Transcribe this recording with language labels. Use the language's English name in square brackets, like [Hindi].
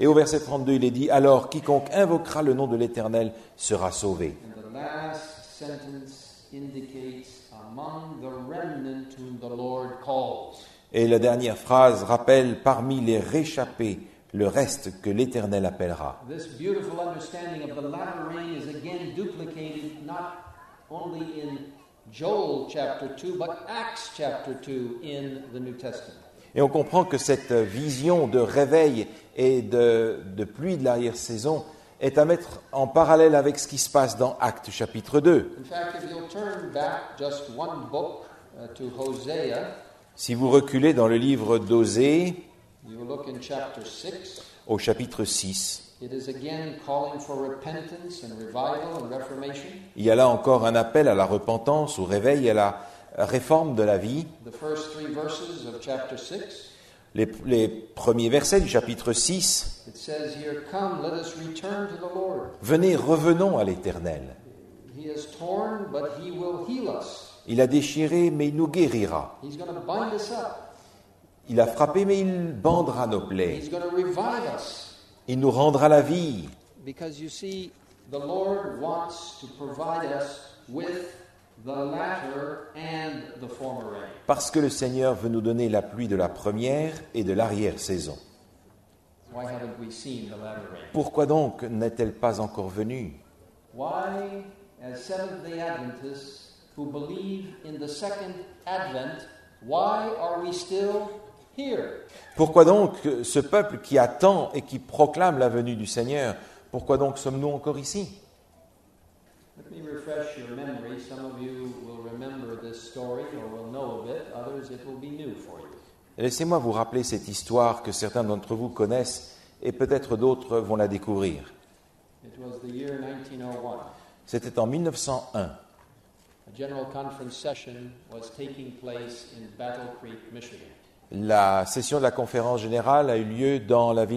[French] Et au verset 32, il est dit, « Alors quiconque invoquera le nom de l'Éternel sera sauvé. » [English] And the last sentence indicates among the remnant whom the Lord calls. [French] Et la dernière phrase rappelle parmi les réchappés le reste que l'Éternel appellera. [English] This beautiful understanding of the latter rain is again duplicated not only in Joel chapter 2 but Acts chapter 2 in the New Testament. [French] Et on comprend que cette vision de réveil et de pluie de l'arrière-saison est à mettre en parallèle avec ce qui se passe dans Actes chapitre 2. [English] In fact, if you'll turn back just one book to Hosea, [French] si vous reculez dans le livre d'Osée, [English] you'll look in chapter 6, [French] au chapitre 6, [English] it is again calling for repentance and revival and reformation. [French] Il y a là encore un appel à la repentance, au réveil, à la réforme de la vie. [English] The first three verses of chapter 6, [French] les premiers versets du chapitre 6, [English] it says here, come, let us return to the Lord. [French] Venez, revenons à l'Éternel. [English] He is torn, but he will heal us. [French] Il a déchiré, mais il nous guérira. [English] He's going to bind us up. [French] Il a frappé, mais il bandera nos plaies. [English] He's going to revive us. [French] Il nous rendra la vie. [English] Because you see, the Lord wants to provide us with the latter and the former rain. [French] Parce que le Seigneur veut nous donner la pluie de la première et de l'arrière saison. [English] Why haven't we seen the latter rain? [French] Pourquoi donc n'est-elle pas encore venue? [English] Why, as Seventh-day Adventists who believe in the second advent, why are we still here? [French] Pourquoi donc ce peuple qui attend et qui proclame la venue du Seigneur, pourquoi donc sommes-nous encore ici? [English] Let me refresh your memory. Some of you will remember this story or will know of it. Others, it will be new for you. [French] Laissez-moi vous rappeler cette histoire que certains d'entre vous connaissent et peut-être d'autres vont la découvrir. [English] It was the year 1901. [French] C'était en 1901. [English] A general conference session was taking place in Battle Creek, Michigan. [French] La session de la conférence générale a eu lieu dans la ville